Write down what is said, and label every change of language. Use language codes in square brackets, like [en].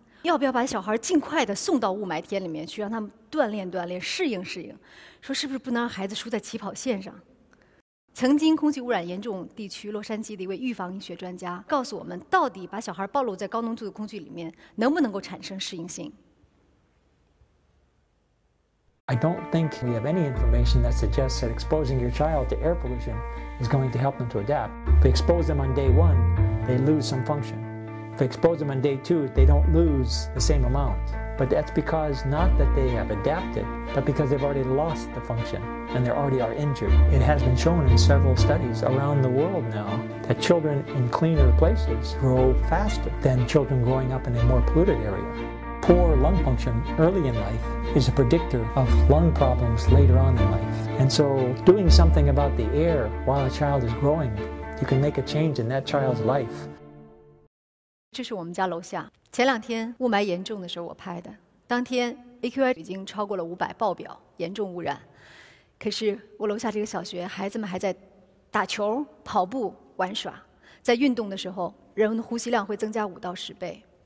[zh] 要不要把小孩尽快的送到雾霾天里面去，让他们锻炼锻炼，适应适应，说是不是不能让孩子输在起跑线上。曾经空气污染严重地区洛杉矶的一位预防医学专家告诉我们，到底把小孩暴露在高浓度的空气里面能不能够产生适应性。 [en] I don't think we have any information that suggests that exposing your child to air pollution is going to help them to adapt. If we expose them on day one, they lose some function. If we expose them on day two, they don't lose the same amount. But that's because not that they have adapted, but because they've already lost the function and they already are injured. It has been shown in several studies around the world now that children in cleaner places grow faster than children growing up in a more polluted area. Poor lung function early in life is a predictor of lung problems later on in life. And so doing something about the air while a child is growing, you can make a change in that child's life. [zh] 这是我们家楼下。前两天雾霾严重的时候我拍的。当天 AQI 已经超过了500爆表，严重污染。可是我楼下这个小学，孩子们还在打球、跑步、玩耍。在运动的时候，人的呼吸量会增加5到10倍。